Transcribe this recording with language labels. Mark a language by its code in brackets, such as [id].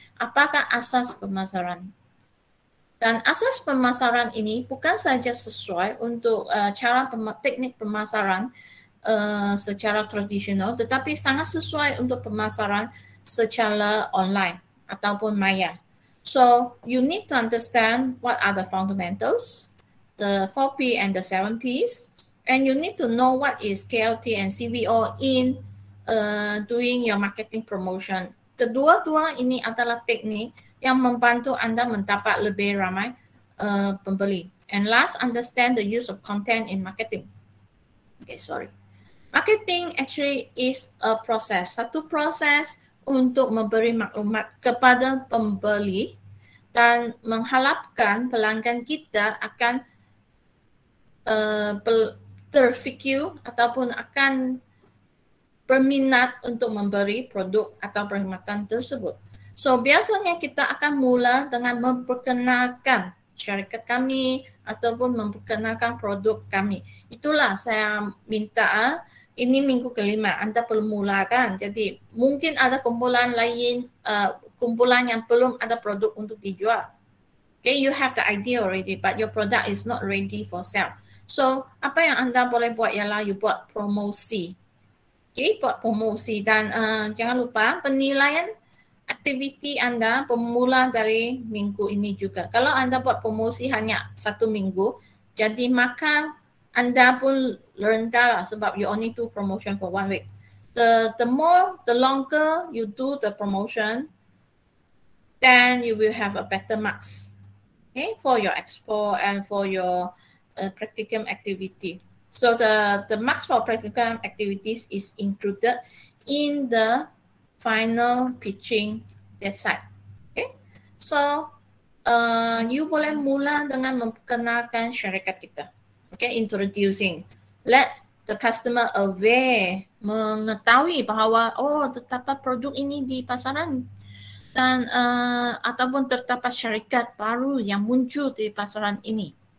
[ms] Apakah asas pemasaran? Dan asas pemasaran ini bukan saja sesuai untuk cara teknik pemasaran secara tradisional, tetapi sangat sesuai untuk pemasaran secara online ataupun maya. [en] So you need to understand what are the fundamentals, the 4P and the 7Ps, and you need to know what is KLT and CVO in doing your marketing promotion. [ms] Kedua-dua ini adalah teknik yang membantu anda mendapat lebih ramai pembeli. [en] And last, understand the use of content in marketing. Okay, sorry. Marketing actually is a process. [ms] Satu proses untuk memberi maklumat kepada pembeli dan mengharapkan pelanggan kita akan terfikir ataupun akan berminat untuk memberi produk atau perkhidmatan tersebut. So biasanya kita akan mula dengan memperkenalkan syarikat kami ataupun memperkenalkan produk kami. Itulah saya minta, ini minggu kelima, anda perlu mulakan. Jadi mungkin ada kumpulan lain, kumpulan yang belum ada produk untuk dijual. [en] Okay, you have the idea already but your product is not ready for sale. [ms] So apa yang anda boleh buat ialah you buat promosi. Okay, buat promosi dan jangan lupa penilaian aktiviti anda bermula dari minggu ini juga. Kalau anda buat promosi hanya satu minggu, jadi maka anda pun rendah lah sebab [en] you only do promotion for one week. The more, the longer you do the promotion, then you will have a better marks, okay, for your expo and for your practicum activity. So the marks for practicum activities is included in the final pitching decide. [ms] Okay, so you boleh mula dengan memperkenalkan syarikat kita. [en] Okay, introducing. Let the customer aware, [ms] mengetahui bahawa oh, terdapat produk ini di pasaran dan ataupun terdapat syarikat baru yang muncul di pasaran ini.